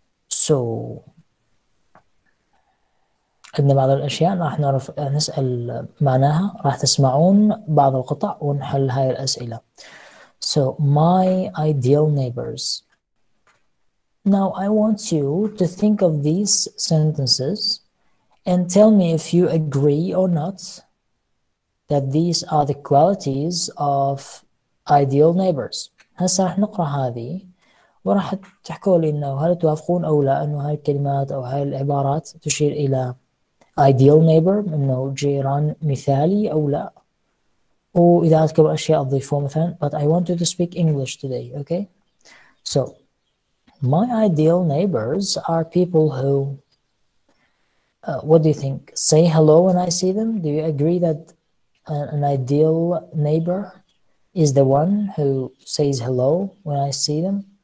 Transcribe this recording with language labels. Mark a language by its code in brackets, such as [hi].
[ar] So عندنا بعض الأشياء راح نعرف نسأل معناها. راح تسمعون بعض القطع ونحل هاي الأسئلة. [en] So my ideal neighbors. Now I want you to think of these sentences and tell me if you agree or not that these are the qualities of ideal neighbors. [ar] هسا راح نقرأ هذه وراح تحكوا لي إنه هل توافقون أو لا إنه هاي الكلمات أو هاي العبارات تشير إلى [en] ideal neighbor [ar] إنه جيران مثالي أو لا. وإذا عندكم أشياء تضيفوها مثلاً. [en] But I want you to speak English today, okay? So my ideal neighbors are people who what do you think? Say hello when I see them. Do you agree that an ideal neighbor is the one who says hello when I see them?